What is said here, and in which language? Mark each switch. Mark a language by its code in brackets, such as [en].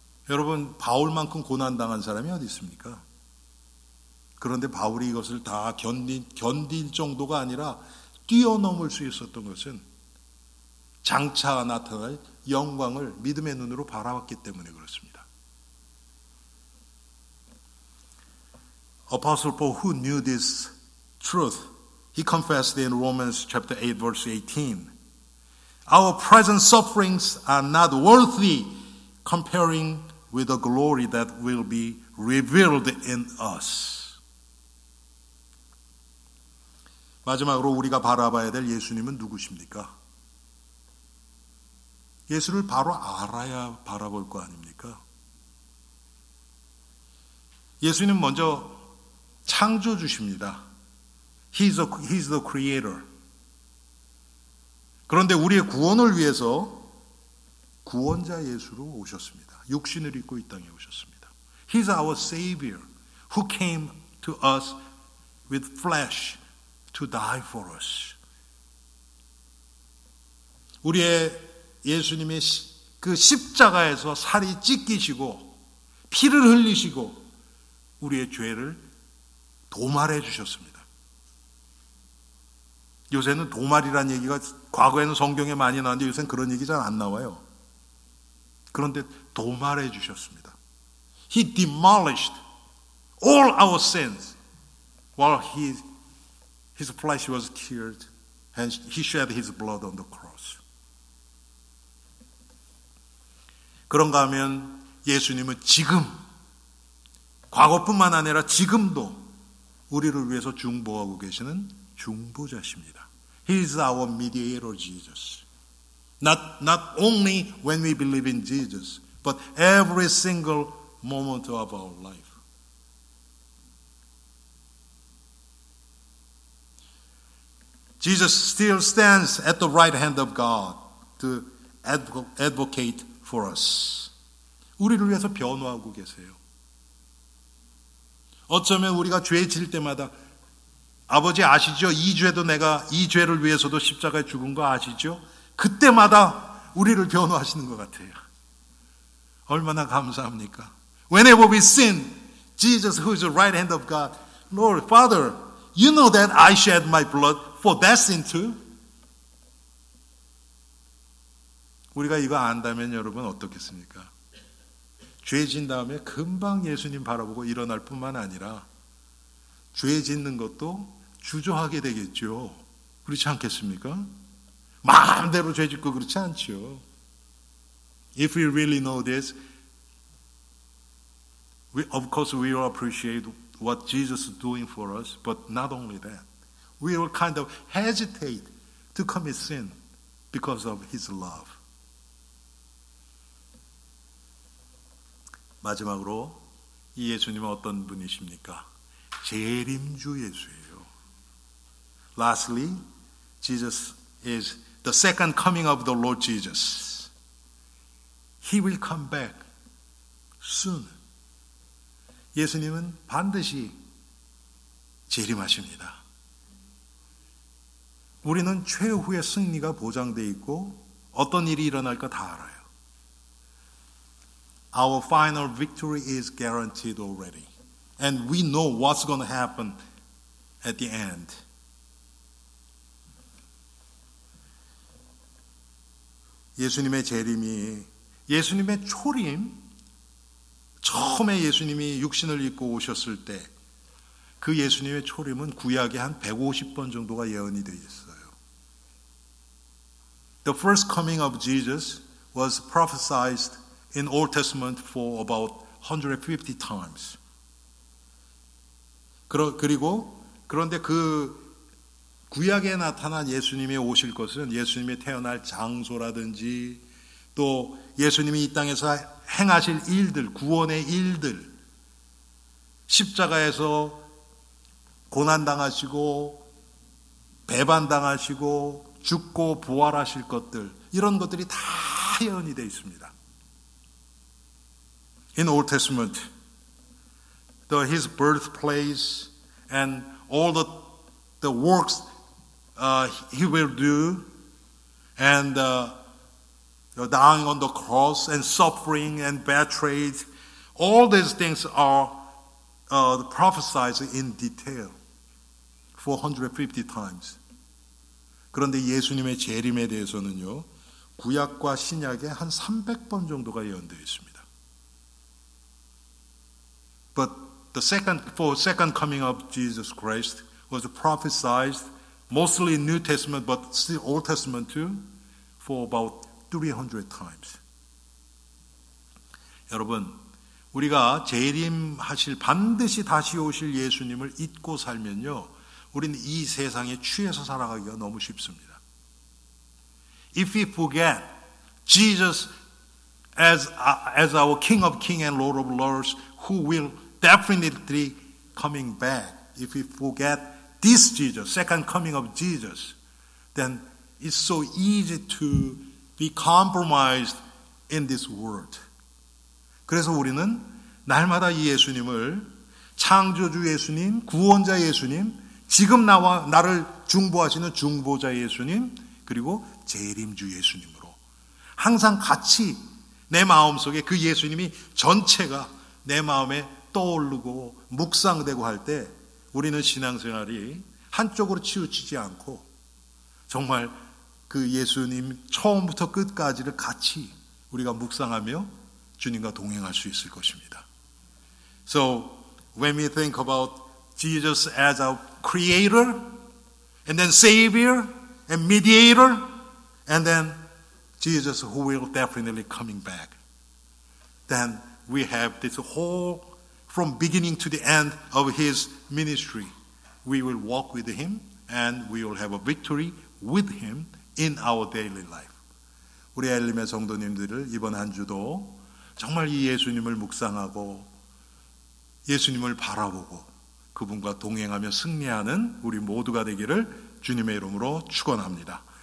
[ko] 여러분, 바울만큼 고난당한 사람이 어디 있습니까? 그런데 바울이 이것을 다 견딜 정도가 아니라 뛰어넘을 수 있었던 것은 장차 나타날 영광을 믿음의 눈으로 바라봤기 때문에 그렇습니다. [en] Apostle Paul, who knew this truth, he confessed in Romans chapter 8, verse 18, Our present sufferings are not worthy comparing with the glory that will be revealed in us. [ko] 마지막으로 우리가 바라봐야 될 예수님은 누구십니까? 예수를 바로 알아야 바라볼 거 아닙니까? 예수님 먼저 창조주십니다. [en] He's the creator. [ko] 그런데 우리의 구원을 위해서 구원자 예수로 오셨습니다. 육신을 입고 이 땅에 오셨습니다. [en] He's our savior who came to us with flesh. To die for us. [ko] 우리의 예수님이 그 십자가에서 살이 찢기시고 피를 흘리시고 우리의 죄를 도말해 주셨습니다. 요새는 도말이라는 얘기가 과거에는 성경에 많이 나왔는데 요새는 그런 얘기 잘 안 나와요. 그런데 도말해 주셨습니다. [en] He demolished all our sins while His flesh was killed, and he shed his blood on the cross. [ko] 그런가 하면 예수님은 지금, 과거뿐만 아니라 지금도 우리를 위해서 중보하고 계시는 중보자십니다. [en] He is our mediator, Jesus. Not only when we believe in Jesus, but every single moment of our life. 예수 still stands at the right hand of God to advocate for us. [ko] 우리를 위해서 변호하고 계세요. 어쩌면 우리가 죄 질 때마다 아버지 아시죠? 이 죄도 내가 이 죄를 위해서도 십자가에 죽은 거 아시죠? 그때마다 우리를 변호하시는 것 같아요. 얼마나 감사합니까? [en] Whenever we sin, Jesus who is the right hand of God, Lord, Father, you know that I shed my blood For that sin too. [ko] 우리가 이거 안다면 여러분 어떻겠습니까? 죄 진 다음에 금방 예수님 바라보고 일어날 뿐만 아니라 죄 짓는 것도 주저하게 되겠죠. 그렇지 않겠습니까? 마음대로 죄 짓고 그렇지 않죠. [en] If we really know this, of course we will appreciate what Jesus is doing for us, but not only that. We will kind of hesitate to commit sin because of his love. [ko] 마지막으로 이 예수님은 어떤 분이십니까? 재림주 예수예요. [en] Lastly, Jesus is the second coming of the Lord Jesus. He will come back soon. [ko] 예수님은 반드시 재림하십니다. 우리는 최후의 승리가 보장되어 있고 어떤 일이 일어날까 다 알아요. [en] Our final victory is guaranteed already. And we know what's going to happen at the end. [ko] 예수님의 재림이 예수님의 초림 처음에 예수님이 육신을 입고 오셨을 때 그 예수님의 초림은 구약에 한 150번 정도가 예언이 되어 있어요. [en] The first coming of Jesus was prophesied in Old Testament for about 150 times. [ko] 그리고 그런데 그 구약에 나타난 예수님이 오실 것은 예수님이 태어날 장소라든지 또 예수님이 이 땅에서 행하실 일들, 구원의 일들, 십자가에서 고난당하시고 배반당하시고 죽고 부활하실 것들, 이런 것들이 다 예언이 되어 있습니다. [en] In Old Testament, his birthplace and all the works he will do and dying on the cross and suffering and betrayed, all these things are prophesied in detail 450 times. [ko] 그런데 예수님의 재림에 대해서는요, 구약과 신약에 한 300번 정도가 예언되어 있습니다. [en] But the second coming of Jesus Christ was prophesied mostly in New Testament, but still Old Testament too, for about 300 times. [ko] 여러분, 우리가 재림하실 반드시 다시 오실 예수님을 잊고 살면요, 우리는 이 세상에 취해서 살아가기가 너무 쉽습니다. [en] If we forget Jesus as our King of Kings and Lord of Lords, who will definitely coming back, if we forget this Jesus, second coming of Jesus, then it's so easy to be compromised in this world. [ko] 그래서 우리는 날마다 이 예수님을 창조주 예수님, 구원자 예수님, 지금 나를 중보하시는 중보자 예수님, 그리고 재림주 예수님으로 항상 같이 내 마음속에 그 예수님이 전체가 내 마음에 떠오르고 묵상되고 할 때 우리는 신앙생활이 한쪽으로 치우치지 않고 정말 그 예수님 처음부터 끝까지를 같이 우리가 묵상하며 주님과 동행할 수 있을 것입니다. [en] So when we think about Jesus as our creator and then savior and mediator and then Jesus who will definitely coming back, then we have this whole from beginning to the end of his ministry. We will walk with him and we will have a victory with him in our daily life. [ko] 우리 엘림의 성도님들을 이번 한 주도 정말 이 예수님을 묵상하고 예수님을 바라보고 그분과 동행하며 승리하는 우리 모두가 되기를 주님의 이름으로 축원합니다.